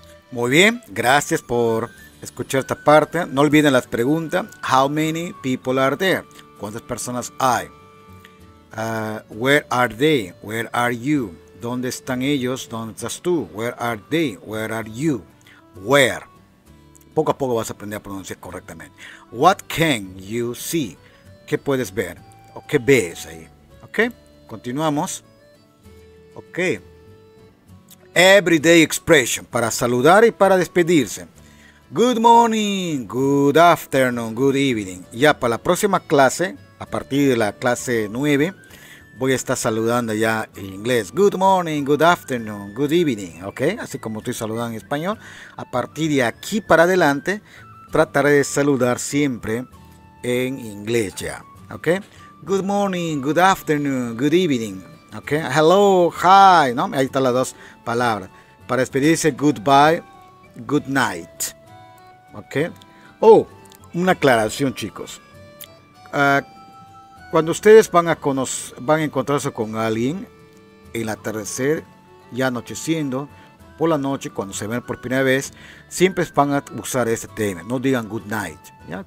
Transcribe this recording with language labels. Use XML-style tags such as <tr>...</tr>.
<es>Muy bien, gracias por escuchar esta parte. No olviden las preguntas.</es> <en>How many people are there?</en> <es>¿Cuántas personas hay?</es> <en>Where are they? Where are you?</en> <es>¿Dónde están ellos? ¿Dónde estás tú?</es> <en>Where are they? Where are you? Where?</en> <es>Poco a poco vas a aprender a pronunciar correctamente.</es> <en>What can you see?</en> <es>¿Qué puedes ver? ¿O qué ves ahí? ¿Ok? Continuamos. ¿Ok?</es> <en>Everyday expression</en> <es>para saludar y para despedirse.</es> <en>Good morning, good afternoon, good evening.</en> <es>Ya para la próxima clase, a partir de la clase 9, voy a estar saludando ya en inglés.</es> <en>Good morning, good afternoon, good evening.</en> <es>Ok, así como estoy saludando en español. A partir de aquí para adelante, trataré de saludar siempre en inglés ya.</es> <en>Ok, good morning, good afternoon, good evening. Ok, hello, hi, ¿no?</en> <es>Ahí están las dos palabras. Para despedirse,</es> <en>goodbye, good night.</en> <es>Ok. Oh, una aclaración, chicos. Cuando ustedes van a encontrarse con alguien en el atardecer y anocheciendo, por la noche, cuando se ven por primera vez, siempre van a usar este tema. No digan</es> <en>good night.</en> <es>¿Ya?</es>